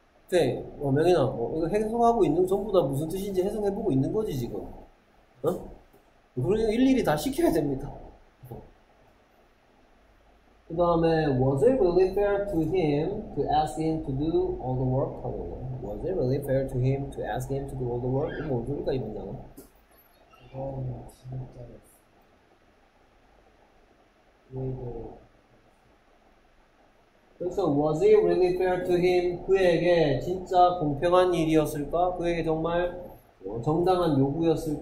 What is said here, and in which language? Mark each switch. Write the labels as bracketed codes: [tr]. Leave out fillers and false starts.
[ko] 네, 명인아, 이거 해석하고 있는, 전부 다 무슨 뜻인지 해석해보고 있는 거지, 지금. 응? 그러니까 일일이 다 시켜야 됩니다. 그 다음에, [en] was it really fair to him to ask him to do all the work? 하고, was it really fair to him to ask him to do all the work? [ko] 이거 뭔 소리일까, 이 문장은? 그건 진짜 왜이래 그래서 [en] was it really fair to him? [ko] 그에게 진짜 공평한 일이었을까? 그에게 정말 정당한 요구였을까?